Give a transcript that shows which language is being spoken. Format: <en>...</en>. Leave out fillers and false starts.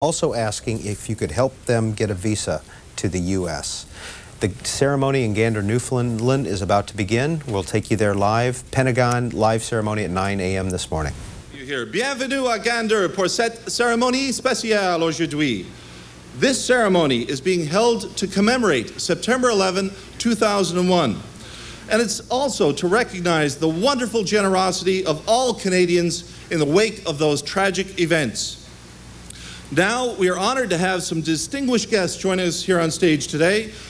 <en>also asking if you could help them get a visa to the U.S. The ceremony in Gander, Newfoundland is about to begin. We'll take you there live. Pentagon live ceremony at 9 a.m. this morning. You here.</en> <fr>Bienvenue à Gander pour cette cérémonie spéciale aujourd'hui.</fr> <en>This ceremony is being held to commemorate September 11, 2001. And it's also to recognize the wonderful generosity of all Canadians in the wake of those tragic events. Now, we are honored to have some distinguished guests joining us here on stage today.</en>